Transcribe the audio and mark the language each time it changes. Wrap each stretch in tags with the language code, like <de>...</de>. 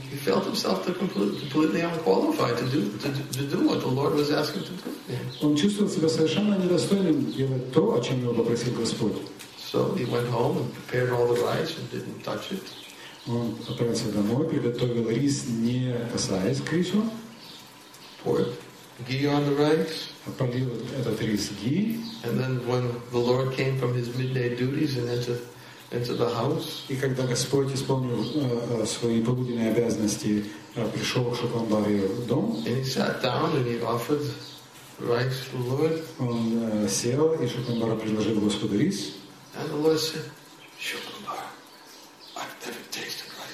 <en>He felt himself completely unqualified to do what the Lord was asking to do.</en> <ru>Он чувствовал себя совершенно недостойным делать то, о чем его попросил Господь.</ru> <en>So he went home and prepared all the rice and didn't touch it.</en> <ru>Он отправился домой, приготовил рис, не касаясь Кришны.</ru> <en>Poured ghee on the rice.</en> <ru>Полил этот рис ghee.</ru> <en>And then when the Lord came from his midday duties and into the house.</en> <ru>И когда Господь исполнил свои полуденные обязанности, пришел к Шукламбаре в дом.</ru> <en>And he sat down and he offered rice to the Lord.</en> <ru>Он сел и Шукламбара предложил Господу рис.</ru> <en>And the Lord said, Шукламбара, I've never tasted.</en>